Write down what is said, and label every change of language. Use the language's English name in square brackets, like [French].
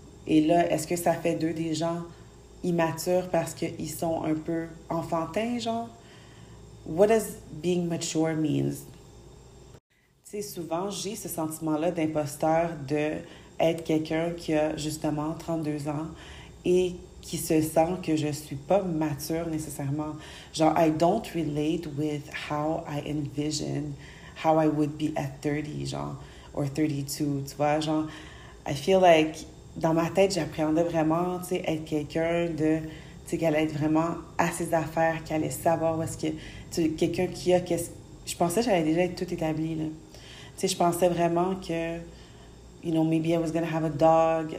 [French] Et là, est-ce que ça fait d'eux des gens immatures parce qu'ils sont un peu enfantins, genre? [English] What does being mature means? [French] T'sais, souvent, j'ai ce sentiment-là d'imposteur d'être quelqu'un qui a justement 32 ans et qui se sent que je ne suis pas mature nécessairement. [English] Genre, I don't relate with how I envision how I would be at 30, genre, or 32, [French] tu vois. Genre, [English] I feel like [French] dans ma tête, j'appréhendais vraiment, tu sais, être quelqu'un de, tu sais, qu'elle allait être vraiment à ses affaires, qu'elle allait savoir où est-ce que, tu sais, quelqu'un qui a, je pensais que j'allais déjà être tout établi, là. Tu sais, je pensais vraiment que, [English] you know, maybe I was going to have a dog.